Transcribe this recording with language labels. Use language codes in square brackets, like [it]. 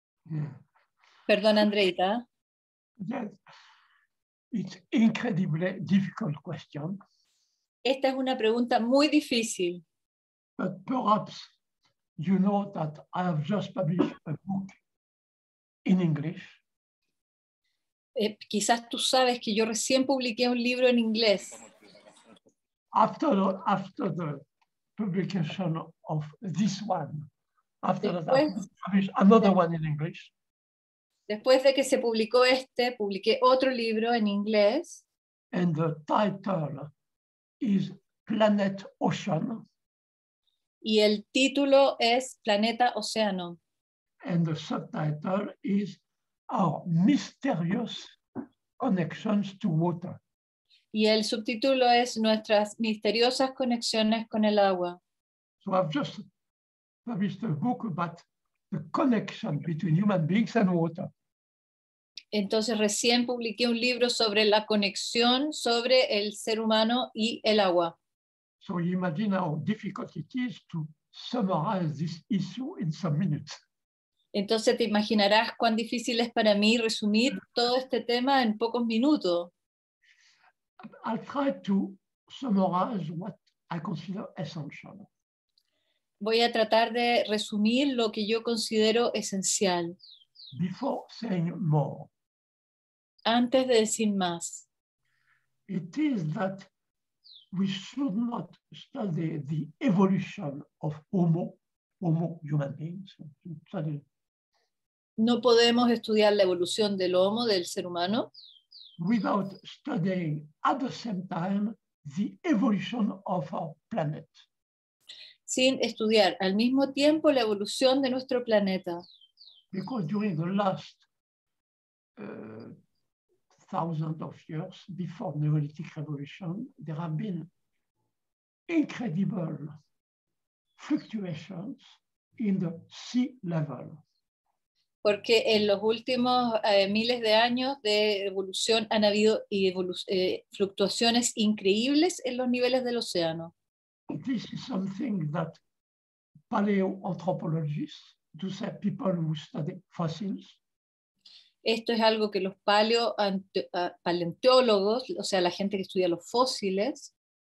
[en] Yeah. [es] Perdón, Andreita. [en] Yes, it's incredibly difficult question. [es] Esta es una pregunta muy difícil. [en] But perhaps you know that I have just published a book in English. [es] Quizás tú sabes que yo recién publiqué un libro en inglés. [en] After the publication of this one, I published another one in English. [es] Después de que se publicó este, publiqué otro libro en inglés. [en] And the title is Planet Ocean. [es] Y el título es Planeta Océano. [en] And the subtitle is Our Mysterious Connections to Water. [es] Y el subtítulo es Nuestras Misteriosas Conexiones con el Agua. [en] So I've just published a book about the connection between human beings and water. [es] Entonces recién publiqué un libro sobre la conexión sobre el ser humano y el agua. [en] So you imagine how difficult it is to summarize this issue in some minutes. [es] Entonces te imaginarás cuán difícil es para mí resumir todo este tema en pocos minutos. [en] I'll try to summarize what I consider essential. [es] Voy a tratar de resumir lo que yo considero esencial. [en] Before saying more. [es] Antes de decir más. [en] It is that we should not study the evolution of Homo human beings. [es] No podemos estudiar la evolución del Homo, del ser humano, [en] without studying at the same time the evolution of our planet. [es] Sin estudiar al mismo tiempo la evolución de nuestro planeta. [en] Because during the last thousands of years before the Neolithic Revolution, there have been incredible fluctuations in the sea level. [es] Porque en los últimos miles de años de evolución han habido fluctuaciones increíbles en los niveles del océano. [en] This is something that paleoanthropologists, to say people who study fossils, [es] esto es algo que los paleontólogos, o sea, la gente que estudia los fósiles,